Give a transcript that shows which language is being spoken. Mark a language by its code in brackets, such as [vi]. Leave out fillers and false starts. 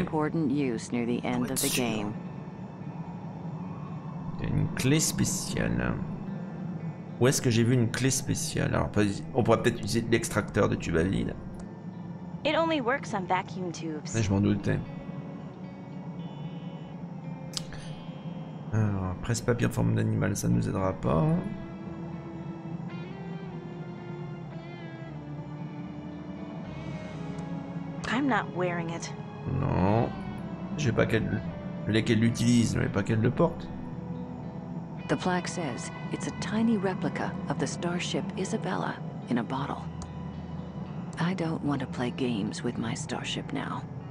[en] important use near the end of the game. [fr] Une clé spéciale. Où est-ce que j'ai vu une clé spéciale? Alors, on pourrait peut-être utiliser l'extracteur de tube à vide. [en] It only works on vacuum tubes. [fr] Mais je m'en doutais. Alors, presse papier en forme d'animal, ça ne nous aidera pas. [en] I'm not wearing it. [fr] Non. Je sais pas qu'elle l'utilise, mais pas qu'elle le porte. [en] The plaque says it's a tiny replica of the starship Isabella in a bottle. I don't want to play games with my starship now.